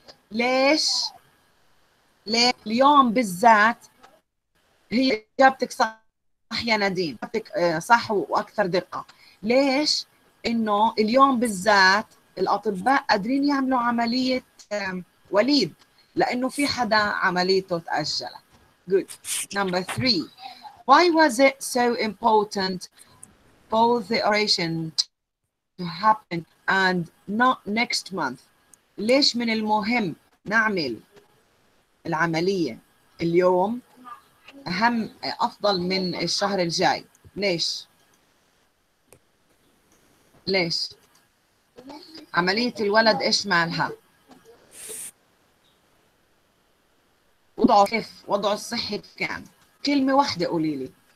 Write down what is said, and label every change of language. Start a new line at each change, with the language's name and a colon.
Arabic: ليش؟ ليه اليوم بالذات هي إجابتك صح يا نادين؟ إجابتك صح وأكثر دقة. ليش؟ إنه اليوم بالذات الأطباء قادرين يعملوا عملية وليد لأنه في حدا عمليته تأجلة.
English: Good. Number three. Why was it so important for the operation to happen and not next month?
Arabic: ليش من المهم نعمل العملية اليوم أهم أفضل من الشهر الجاي؟ ليش؟ ليش؟ عملية الولد إيش مالها؟ وضعه كيف؟ وضعه الصحي كان؟ كلمة واحدة قولي لي.